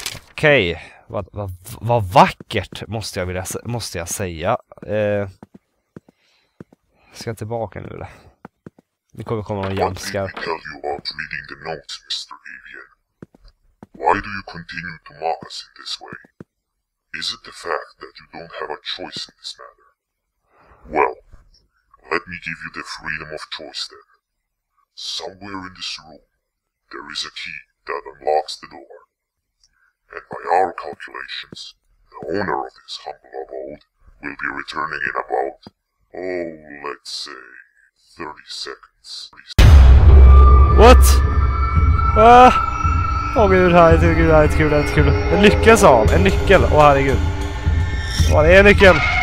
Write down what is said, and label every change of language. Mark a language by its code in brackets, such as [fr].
[sv] Okej, vad vackert måste jag säga. Ska jag tillbaka nu då? Nu kommer komma någon jamska. [en] What did you tell you about reading the notes, Mr. Avian? Why do you continue to mock us in this way? Is it the fact that you don't have a choice in this matter? Well, let me give you the freedom of choice then. Somewhere in this room, there is a key that unlocks the door. And by our calculations, the owner of this humble abode will be returning in about, oh, let's say, 30 seconds. What? [sv] Åh gud, det här är kul, det här är kul, det här är kul. En nyckel sa han, en nyckel. Åh herregud. Åh, det är en nyckel.